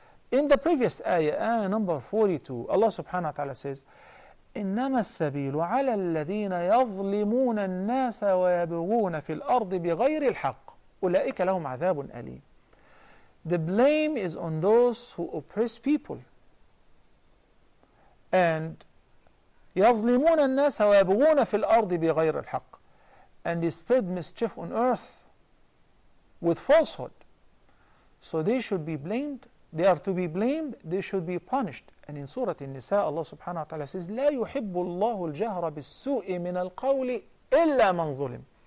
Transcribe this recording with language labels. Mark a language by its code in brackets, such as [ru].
[en] In the previous ayah number 42, Allah subhanahu wa ta'ala says, [ar] إِنَّمَا السَّبِيلُ عَلَى الَّذِينَ يَظْلِمُونَ النَّاسَ وَيَبْغُونَ فِي الْأَرْضِ بِغَيْرِ الْحَقِّ أُولَئِكَ لَهُمْ عَذَابٌ أَلِيمٌ. [en] The blame is on those who oppress people. [ar] And يظلمون الناس ويبغون في الأرض بغير الحق. [en] And they spread mischief on earth with falsehood. So they should be blamed. They are to be blamed. They should be punished. And in Surah An-Nisa, Allah subhanahu wa ta'ala says, [ar] لا يحب الله الجهر بالسوء من القول إلا من ظلم.